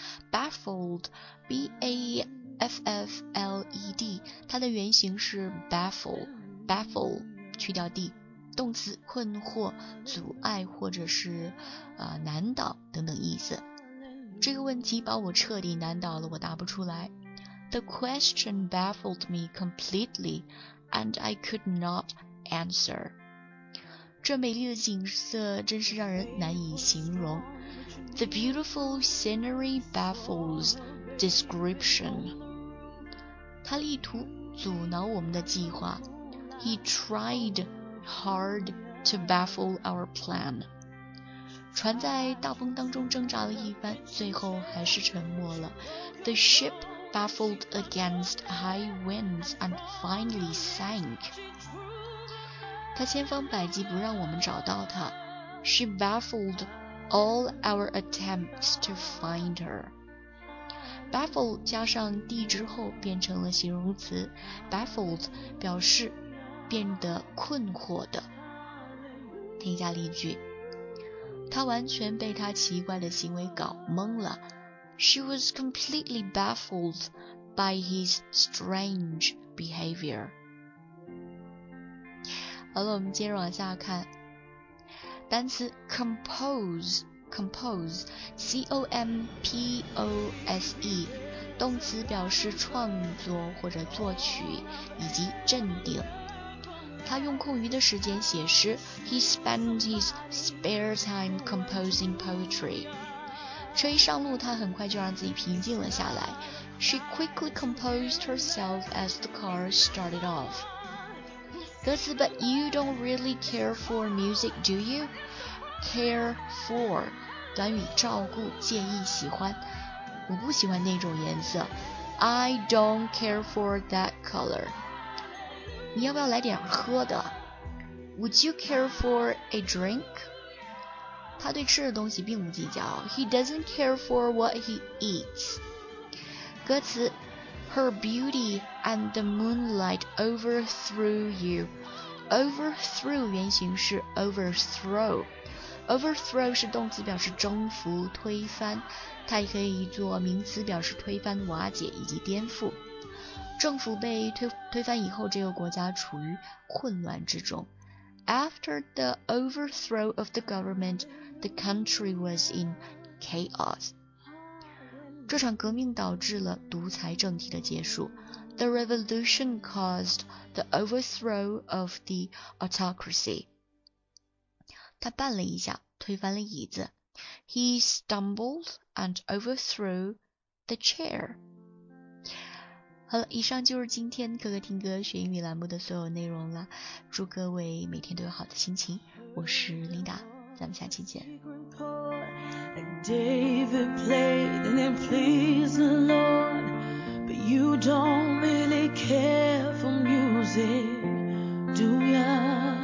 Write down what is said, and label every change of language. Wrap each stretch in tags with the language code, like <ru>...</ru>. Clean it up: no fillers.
<zh>baffled, B-A-F-F-L-E-D, 它的原型是 baffle, 去掉 D, 动词困惑、阻碍或者是、难倒等等意思。这个问题把我彻底难倒了，我答不出来。</zh> <en>The question baffled me completely, and I could not answer.</en> <zh>这美丽的景色真是让人难以形容。</zh> <en>The beautiful scenery baffles description.</en> <zh>他力图阻挠我们的计划。</zh> <en>He tried hard to baffle our plan.</en> <zh>船在大风当中挣扎了一番，最后还是沉没了。</zh> <en>The ship baffled against high winds and finally sank.</en> <zh>他千方百计不让我们找到他。</zh> <en>She baffledAll our attempts to find her.</en> <zh>Baffle 加上 D 之后变成了形容词 Baffled 表示变得困惑的。听一下例句，他完全被他奇怪的行为搞懵了。</zh> <en>She was completely baffled by his strange behavior.</en> <zh>好了，我们接着往下看单词 compose, C-O-M-P-O-S-E, 动词表示创作或者作曲以及镇定。他用空余的时间写诗</zh> <en>,He spent his spare time composing poetry.</en> <zh>车一上路他很快就让自己平静了下来。</zh> <en>She quickly composed herself as the car started off. 歌词 ,But you don't really care for music, do you?</en> <zh>Care for 短语照顾介意喜欢我不喜欢那种颜色</zh> <en>I don't care for that color</en> <zh>你要不要来点喝的</zh> <en>Would you care for a drink</en> <zh>他对吃的东西并不计较</zh> <en>He doesn't care for what he eats</en> <zh>歌词</zh> <en>Her beauty and the moonlight overthrew you</en> <zh>Overthrew 原型是 overthrow Overthrow 是动词表示征服、推翻，它也可以做名词表示推翻、瓦解以及颠覆。政府被 推翻以后，这个国家处于混乱之中。</zh> <en>After the overthrow of the government, the country was in chaos.</en> <zh>这场革命导致了独裁政体的结束。</zh> <en>The revolution caused the overthrow of the autocracy.</en> <zh>他绊了一下，推翻了椅子。</zh> <en>He stumbled and overthrew the chair.</en> <zh>好了，以上就是今天可可听歌学英语栏目的所有内容了。祝各位每天都有好的心情。我是 Linda, 咱们下期见。</zh> <en>David played and it pleased the Lord, but you don't really care for music, do ya?</en>